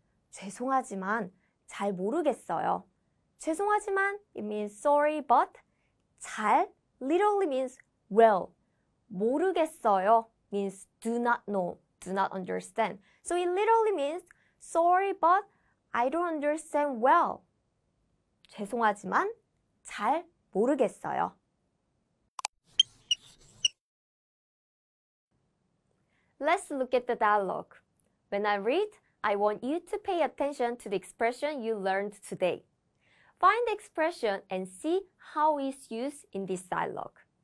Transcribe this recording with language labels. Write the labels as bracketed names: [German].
[Korean] 죄송하지만 잘 모르겠어요. 죄송하지만 [English] it means sorry but [Korean] 잘 [English] literally means well. [Korean] 모르겠어요 [English] means do not know, do not understand. So it literally means sorry but I don't understand well. [Korean] 죄송하지만 잘 모르겠어요. [English] Let's look at the dialogue. When I read, I want you to pay attention to the expression you learned today. Find the expression and see how it's used in this dialogue.